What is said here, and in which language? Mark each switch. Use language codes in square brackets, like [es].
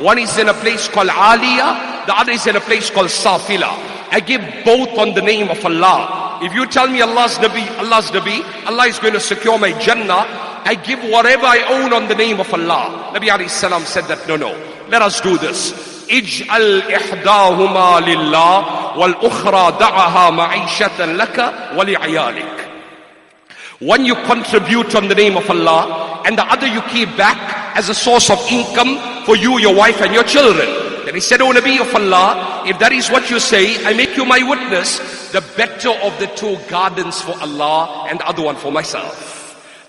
[en] One is in a place called Aliya, the other is in a place called Safila. I give both on the name of Allah. If you tell me Allah's Nabi, Allah is going to secure my Jannah, I give whatever I own on the name of Allah. Nabi alayhi salam said that, no, let us do this. [ar] اجعل إحداهما لله والأخرى دعها معيشة لك ولعيالك. [en] One you contribute on the name of Allah, and the other you keep back as a source of income for you, your wife, and your children. Then he said, O Nabi of Allah, if that is what you say, I make you my witness, the better of the two gardens for Allah and the other one for myself.